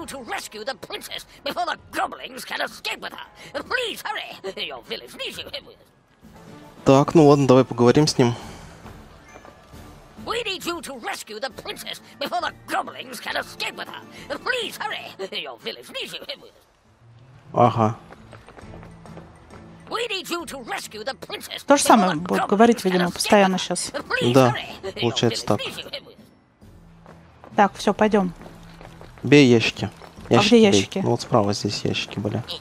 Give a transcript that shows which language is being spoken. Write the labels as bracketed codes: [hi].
[en] Rescue the princess before the goblins can escape with her. Please hurry. Your village needs you. [ru] Так, ну ладно, давай поговорим с ним. [en] We need you to rescue the princess before the goblins can escape with her. Please hurry. Your village needs you. [ru] Ага. [en] We need you to rescue the princess. [ru] То же самое будет говорить, видимо, постоянно сейчас. Да. Получается так. Так, все, пойдем. Бей ящики. Ящики, а где ящики? Ну вот справа здесь ящики были.